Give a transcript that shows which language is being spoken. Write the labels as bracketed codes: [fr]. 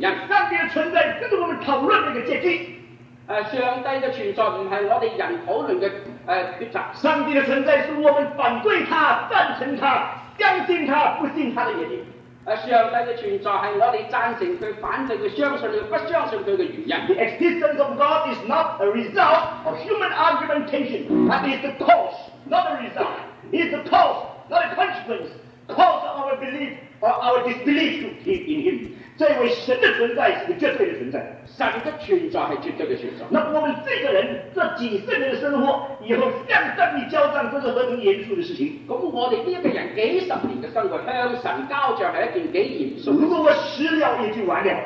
[zh] 上帝的存在不是我们讨论的结局，上帝的存在不是我们人讨论的抉择，上帝的存在是我们反对他、赞成他、相信他、不信他的原因，上帝的存在是我们赞成他、反对他、相信他、不相信他的原因。 [en] The existence of God is not a result of human argumentation, but is the cause, not a result. Is the cause, not a consequence. Cause of our belief or our disbelief to keep in Him. [zh] 这位神的存在是绝对的存在，神的存在是绝对的存在。那我们这个人这几十年的生活，以后向上帝交账，这是何等严肃的事情。我们这个人几十年的生活向神交账是一件几严肃。如果我死了也就完了，